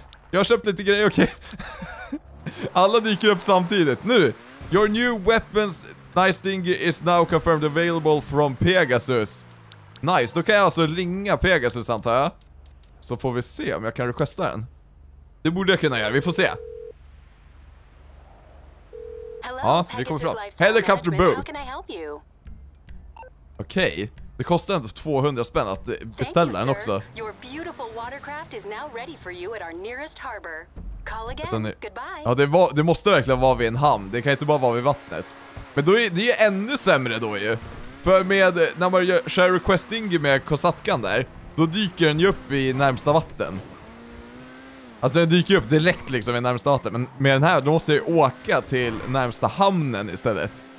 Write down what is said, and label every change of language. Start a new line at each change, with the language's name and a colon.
Swedish: Jag har köpt lite grejer, okej. Okay. Alla dyker upp samtidigt. Nu.
English: Your new weapons nice dinghy is now confirmed available from Pegasus.
Swedish: Nice. Då kan jag alltså ringa Pegasus antar jag. Så får vi se om jag kan requesta den. Det borde jag kunna göra. Vi får se. Ja, vi kommer fram. Helicopter boat. Okej. Okay. Det kostar ändå 200 spänn att beställa den också.
English: Your beautiful watercraft is now ready for you at our nearest harbor. Call again. Goodbye.
Swedish: Ja, det måste verkligen vara vid en hamn. Det kan inte bara vara vid vattnet. Men då är det är ännu sämre då ju. För med när man kör requesting med Kosatkan där, då dyker den ju upp i närmsta vatten. Alltså den dyker upp direkt liksom i närmsta vatten, men med den här då måste jag ju åka till närmsta hamnen istället.